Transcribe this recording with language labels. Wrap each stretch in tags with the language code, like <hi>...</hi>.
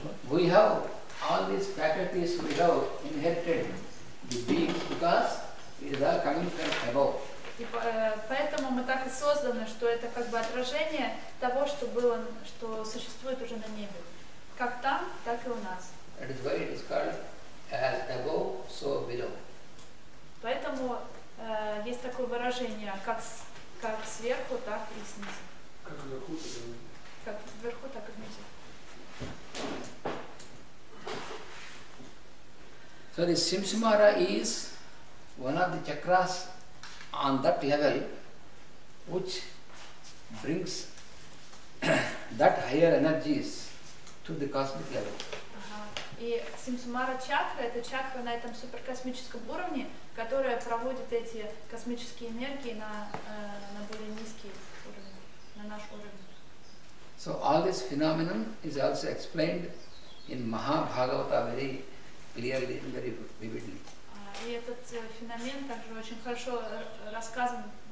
<en>We have all these faculties we have inherited the beings because it is all coming from above.</en> <ru>Поэтому мы так и созданы, что это как бы отражение того, что было, что существует уже на небе. Как там, так и у нас.</ru> <en>That is why it is called as above, so below.</en> <ru>Поэтому есть такое выражение, как сверху, так и снизу. Как вверху, так и внизу. Как вверху, так и внизу.</ru> <en>So the Simsimara is one of the chakras on that level which brings that higher energies to the cosmic level.</en> <ru>И Симсумара чакра – это чакра на этом суперкосмическом уровне, которая проводит эти космические энергии на более низкий уровень, на наш уровень.</ru> <en>So all this phenomenon is also explained in Mahabhagavata very clearly and very vividly.</en> <ru>И этот феномен также очень хорошо рассказан</ru>